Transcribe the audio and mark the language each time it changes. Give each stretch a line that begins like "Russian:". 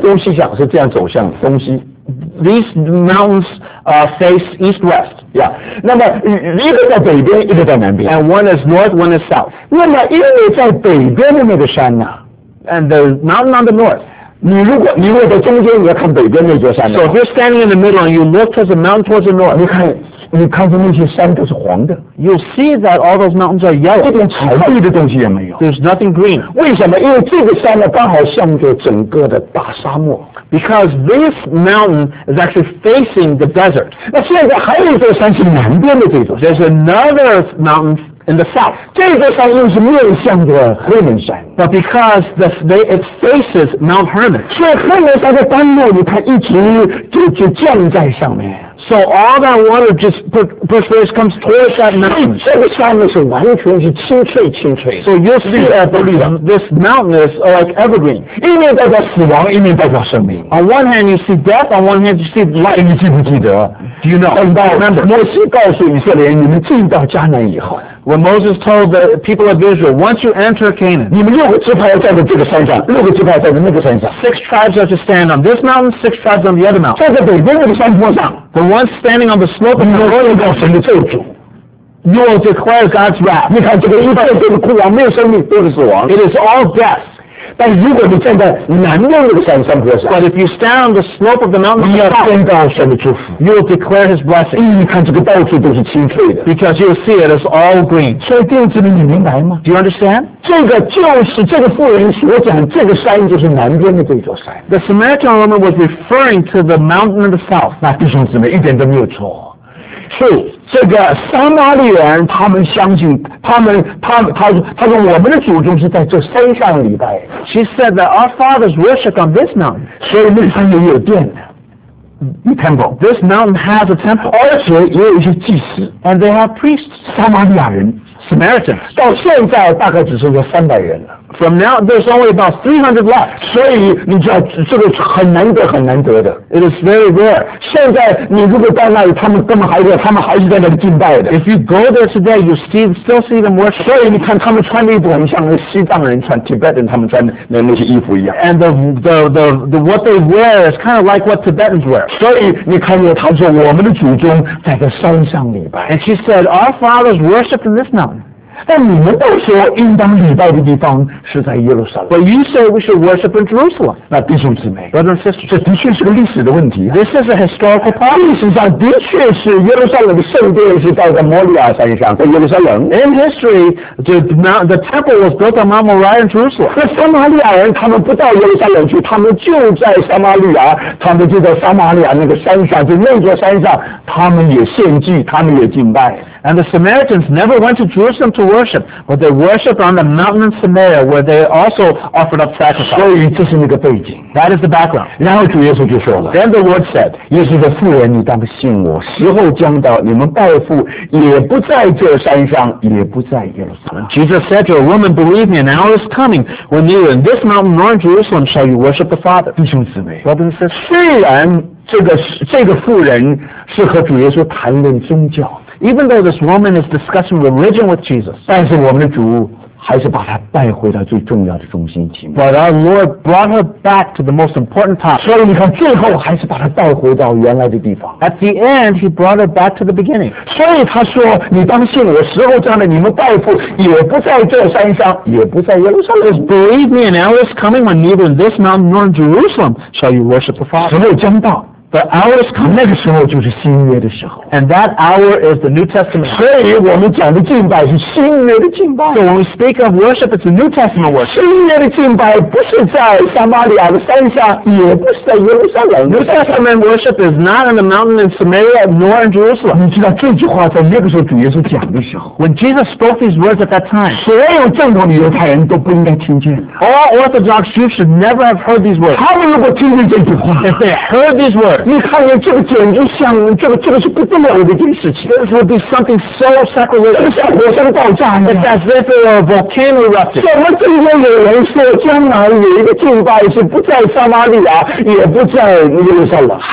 Chinese: 东西向是这样走向的，东西。
English: These mountains face east west. Yeah.
Chinese: 那么一个在北边，一个在南边。
English: And one is north, one is south.
Chinese: 那么因为在北边的那个山呢
English: ，And the mountain on the north.
Chinese: 你如果你如果在中间，你要看北边那座山。
English: So if you're standing in the middle and you look towards the mountain towards the north,
Chinese: 你看见那些山都是黄的。
English: You'll see that all those mountains are yellow.
Chinese: 一点草绿的东西也没有。
English: There's nothing green.
Chinese: 为什么？因为这个山呢，刚好向着整个的大沙漠。
English: Because this mountain is actually facing the desert.
Chinese: 那现在还有一座山是南边的这座。
English: There's another mountain. In the south,
Chinese: 这座山又是面向着黑门山
English: But because it faces Mount Hermon,
Chinese: 所以黑门山的甘露你看一直就降在上面
English: So all that water just perspires comes towards that mountain.
Chinese: 这个山呢是完全是青翠青翠
English: So you'll see this mountain is like evergreen.
Chinese: 一面代表死亡，一面代表生命
English: On one hand you see death, on one hand you see life.
Chinese: 你记不记得
English: Do you know?
Chinese: 等到摩西告诉以色列人，你们进到迦南以后
English: When Moses told the people of Israel, once you enter Canaan,
Chinese: 你们六个支派要站在这个山上，六个支派要站在那个山上。
English: Six tribes are to stand on this mountain, six tribes on the other mountain.
Chinese: 站在北边那个山坡上。
English: The one standing on the slope of the
Chinese: mountain. 你们要告诉神的咒诅。
English: You will declare God's wrath.
Chinese: 你看这个一切都是枯亡，没有生命，都是死亡。
English: It is all death.
Chinese: 但如果你站在南边那个山上坡上
English: ，But if you stand on the slope of the mountain,
Chinese: 你要宣告神的祝福
English: ，You will declare His blessing.
Chinese: 你看这个到处都是青翠的
English: ，Because you see it is all green.
Chinese: 所以弟兄姊妹，你明白吗
English: ？Do you understand?
Chinese: 这个就是这个妇人所讲，这个山就是南边的这座山。
English: The Samaritan woman was referring to the mountain of the south.
Chinese: 那弟兄姊妹一点都没有错。是这个撒玛利亚人，他们相信，他们我们的祖宗是在这山上礼拜。
English: She said that our fathers worship on this mountain.
Chinese: 所以那山也有殿的。Temple.
English: This mountain has a temple.
Chinese: 而且也有一些祭司。
English: And they have priests.
Chinese: 撒玛利亚人
English: Samaritans.
Chinese: 到现在大概只剩下三百人了。
English: From now, there's only about 300 left.
Chinese: 所以你知道这个很难得很难得的。
English: It is very rare.
Chinese: 现在你如果到那里，他们还是在那里敬拜的。
English: If you go there today, you still see them worship.
Chinese: 所以你看他们穿的衣服很像西藏人穿 Tibetan 他们穿的那些衣服一样。
English: And the what they wear is kind of like what Tibetans wear.
Chinese: 所以你看见他说我们的祖宗在这山上礼拜。
English: And she said, our fathers worshipped in this mountain.
Chinese: 但你们都说应当礼拜的地方是在耶路撒冷。
English: But you say we should worship in Jerusalem.
Chinese: 那弟兄姊妹
English: ，Brother and sister，
Chinese: 这的确是个历史的问题、啊。
English: This is a historical problem.
Chinese: 历史上的确是耶路撒冷的圣殿是盖在摩利亚山上，在耶路撒冷。
English: In history, the temple was built on Mount Moriah in Jerusalem.
Chinese: 那撒玛利亚人他们不到耶路撒冷去，他们就在撒玛利亚，他们就在撒玛利亚那个山上，就那座山上，他们也献祭，他们也敬拜。
English: And the Samaritans never went to Jerusalem to worship, but they worshipped on the mountain in Samaria where they also offered up sacrifice.
Chinese: 所以这是那个背景。
English: That is the background.
Chinese: 然后主耶稣就说了。
English: Then the Lord said,
Chinese: 耶稣说，妇人，你当信我，时候将到，你们拜父也不在这山上，也不在耶路撒冷。
English: Jesus said to her, woman, believe me, an hour is coming when neither in this mountain nor in Jerusalem shall you worship the Father.
Chinese: 弟兄姊妹。
English: Brother and sister.
Chinese: 虽然这个妇人是和主耶稣谈论宗教。
English: Even though this woman is discussing religion with Jesus,
Chinese: 但是我们的主还是把她带回到最重要的中心题目。
English: But our Lord brought her back to the most important topic.
Chinese: 所以你看，最后还是把她带回到原来的地方。
English: At the end, he brought her back to the beginning.
Chinese: 所以他说，你当信我时候将来你们拜父也不在这山上，也不在耶路撒冷。
English: Believe me, an hour is coming when neither in this mountain nor in Jerusalem shall you worship the Father.
Chinese: 时候将到。
English: The hour is coming.
Chinese: 那个时候就是新约的时候。
English: And that hour is the New Testament.
Chinese: 所以我们讲的敬拜是新约的敬拜。
English: So when we speak of worship, it's the New Testament worship.
Chinese: 新约的敬拜不是在撒玛利亚的山上，也不是在耶路撒冷。
English: New Testament worship is not on the mountain in Samaria nor in Jerusalem.
Chinese: 你知道这句话在那个时候主耶稣讲的时候。
English: When Jesus spoke these words at that time.
Chinese: 所有正统的犹太人都不应该听见。
English: All Orthodox Jews should never have heard these words.
Chinese: 他们如果听见这句话。
English: If they heard these words.
Chinese: 你看看这个简直像这个是不得了的一件事情。
English: This would be something so sacrilegious.
Chinese: 像火山爆炸一样。
English: It's as if a volcano erupted.
Chinese: 怎么今天有人说将来有一个敬拜是不在撒玛利亚，也不在耶路撒冷